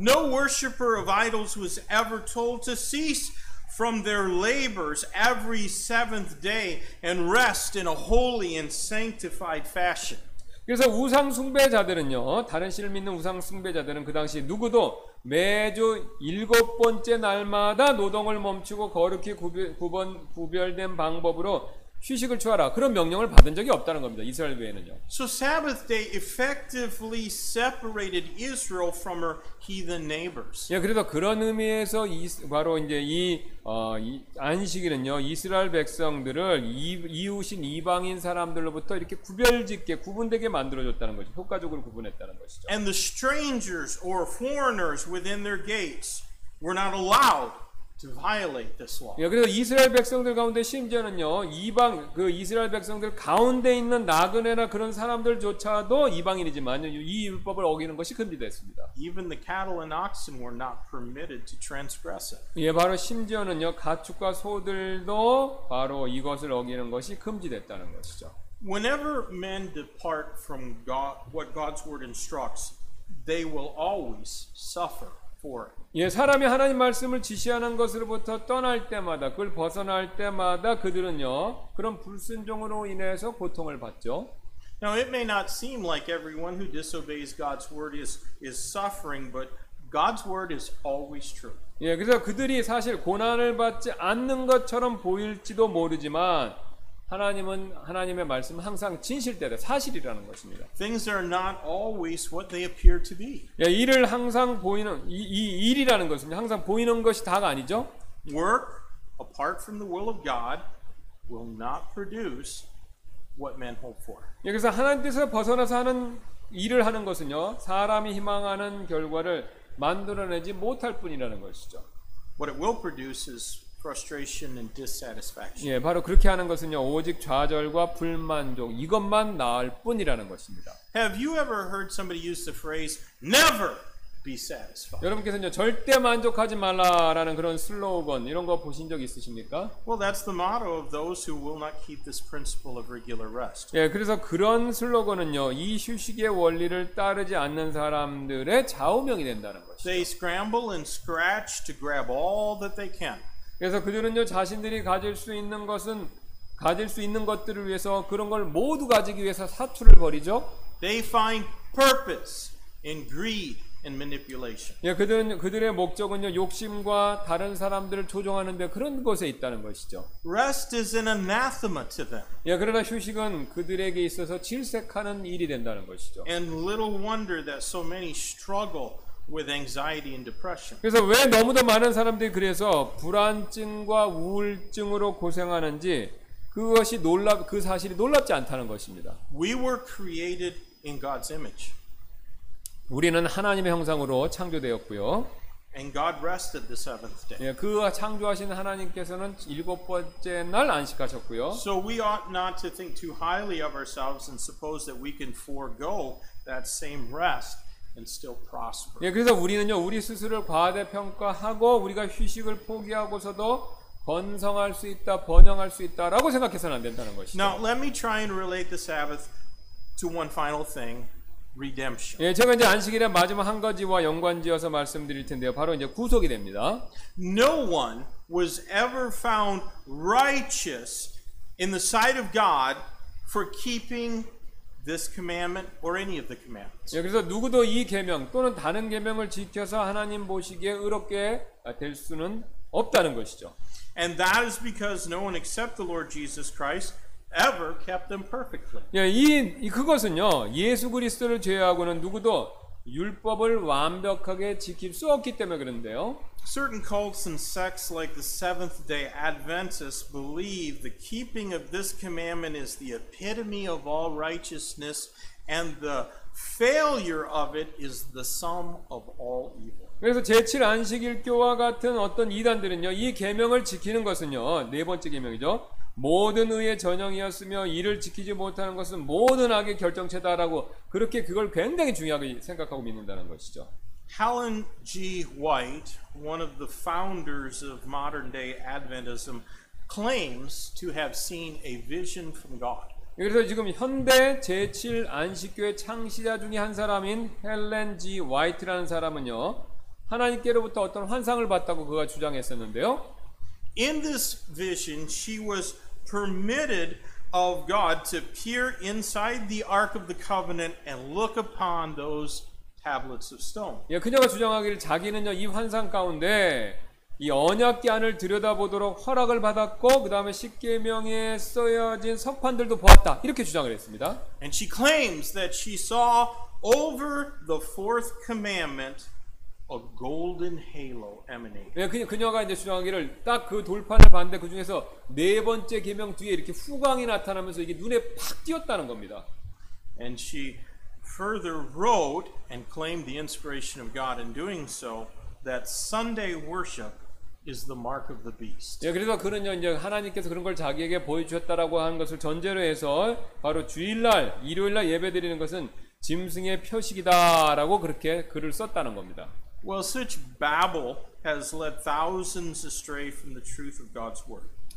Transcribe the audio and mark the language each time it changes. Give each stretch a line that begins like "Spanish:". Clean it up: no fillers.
English: No worshipper of idols was ever told to cease from their labors every seventh day and rest in a holy and sanctified fashion.
Korean: 그래서 우상 숭배자들은요. 다른 신을 믿는 우상 숭배자들은 그 당시 누구도 매주 일곱 번째 날마다 노동을 멈추고 거룩히 구별된 방법으로 휴식을 취하라. 그런 명령을 받은 적이 없다는 겁니다. 이스라엘 외에는요.
English: So Sabbath day effectively separated Israel from her heathen neighbors.
Korean: 예, 그래서 그런 의미에서 바로 이제 이 안식일은요. 이스라엘 백성들을 이웃인 이방인 사람들로부터 이렇게 구별짓게 구분되게 만들어 줬다는 거죠. 효과적으로 구분했다는 것이죠.
English: And the strangers or foreigners within their gates were not allowed to violate this law.
Korean: 예, 그래서 이스라엘 백성들 가운데 심지어는요 이방 그 이스라엘 백성들 가운데 있는 나그네나 그런 사람들조차도 이방인이지만요 이 율법을 어기는 것이 금지됐습니다.
English: Even the cattle and oxen were not permitted to transgress it.
Korean: 예, 바로 심지어는요 가축과 소들도 바로 이것을 어기는 것이 금지됐다는 것이죠.
English: Whenever men depart from God, what God's word instructs, they will always suffer for it.
Korean: 예, 사람이 하나님 말씀을 지시하는 것으로부터 떠날 때마다, 그걸 벗어날 때마다 그들은요, 그런 불순종으로 인해서 고통을 받죠.
English: Now it may not seem like everyone who disobeys God's word is suffering, but God's word is always true.
Korean: 예, 그래서 그들이 사실 고난을 받지 않는 것처럼 보일지도 모르지만 하나님은 하나님의 말씀은 항상 진실되다 사실이라는 것입니다.
English: Things are not always what they appear to be.
Korean: 예, 일을 항상 보이는 이 일이라는 것은 항상 보이는 것이 다가 아니죠.
English: Work apart from the will of God will not produce what men hope for.
Korean: 예, 그래서 하나님 뜻에서 벗어나서 하는 일을 하는 것은요 사람이 희망하는 결과를 만들어내지 못할 뿐이라는 것이죠.
English: What it will produce is frustration and dissatisfaction.
Korean: 예, 바로 그렇게 하는 것은요. 오직 좌절과 불만족 이것만 나을 뿐이라는 것입니다.
English: Have you ever heard somebody use the phrase never be satisfied?
Korean: 여러분께서는요. 절대 만족하지 말라라는 그런 슬로건 이런 거 보신 적 있으십니까?
English: Well, that's the motto of those who will not keep this principle of regular rest.
Korean: 예, 그래서 그런 슬로건은요. 이 휴식의 원리를 따르지 않는 사람들의 좌우명이 된다는 것이죠.
English: They scramble and scratch to grab all that they can.
Korean: 그래서 그들은요 자신들이 가질 수 있는 것은 가질 수 있는 것들을 위해서 그런 걸 모두 가지기 위해서 사투를 벌이죠.
English: They find purpose in greed and manipulation.
Korean: 예, 그들의 목적은요 욕심과 다른 사람들을 조종하는 데 그런 곳에 있다는 것이죠.
English: Rest is an anathema to them.
Korean: 예, 그러나 휴식은 그들에게 있어서 질색하는 일이 된다는 것이죠.
English: And little wonder that so many struggle with anxiety and depression.
Korean: 그래서 왜 너무도 많은 사람들이 그래서 불안증과 우울증으로 고생하는지 그 사실이 놀랍지 않다는 것입니다.
English: We were created in God's image.
Korean: 우리는 하나님의 형상으로 창조되었고요.
English: And God rested the seventh day.
Korean: 예, 그 창조하신 하나님께서는 일곱 번째 날 안식하셨고요.
English: So we ought not to think too highly of ourselves and suppose that we can forego that same rest and still prosper.
Korean: 예, 그래서 우리는요, 우리 스스로를 과대평가하고 우리가 휴식을 포기하고서도 번성할 수 있다, 번영할 수 있다라고 생각해서는 안 된다는 것이죠.
English: Now let me try and relate the Sabbath to one final thing, redemption.
Korean: 예, 제가 이제 안식일의 마지막 한 가지와 연관지어서 말씀드릴 텐데요. 바로 이제 구속이 됩니다.
English: No one was ever found righteous in the sight of God for keeping this commandment or any of the commandments.
Korean: 예, 그래서 누구도 이 계명 또는 다른 계명을 지켜서 하나님 보시기에 의롭게 될 수는 없다는 것이죠.
English: And that is because no one except the Lord Jesus Christ ever kept them perfectly.
Korean: 예, 이 그것은요. 예수 그리스도를 제외하고는 누구도 율법을 완벽하게 지킬 수 없기 때문에 그런데요.
English: Certain cults and sects like the Seventh-day Adventists believe the keeping of this commandment is the epitome of all righteousness and the failure of it is the sum of all evil.
Korean: 그래서 제7 안식일교와 같은 어떤 이단들은요. 이 계명을 지키는 것은요. 네 번째 계명이죠. 모든 의의 전형이었으며 이를 지키지 못하는 것은 모든 악의 결정체다라고 그렇게 그걸 굉장히 중요하게 생각하고 믿는다는 것이죠.
English: Helen G. White, one of the founders of modern-day Adventism, claims to have seen a vision from God.
Korean: 그래서 지금 현대 제7 안식교의 창시자 중에 한 사람인 헬렌 G. 화이트라는 사람은요, 하나님께로부터 어떤 환상을 봤다고 그가 주장했었는데요.
English: In this vision, she was permitted of God to peer inside the Ark of the Covenant and look upon those tablets of stone.
Korean: 예, 그녀가 주장하기를 자기는요 이 환상 가운데 이 언약궤 안을 들여다보도록 허락을 받았고 그다음에 십계명에 써여진 석판들도 보았다. 이렇게 주장을 했습니다.
English: And she claims that she saw over the fourth commandment a golden halo emanating.
Korean: 예, 그녀가 이제 주장하기를 딱 그 돌판을 봤는데 그 중에서 네 번째 계명 뒤에 이렇게 후광이 나타나면서 이게 눈에 팍 띄었다는 겁니다.
English: And she further wrote and claimed the inspiration of God in doing so that Sunday worship is the mark of the beast.
Korean: 예, 그래서 그는요 이제 하나님께서 그런 걸 자기에게 보여주셨다라고 하는 것을 전제로 해서 바로 주일날 일요일날 예배드리는 것은 짐승의 표식이다라고 그렇게 글을 썼다는 겁니다.
English: Well, such babble has led thousands astray from the truth of God's word.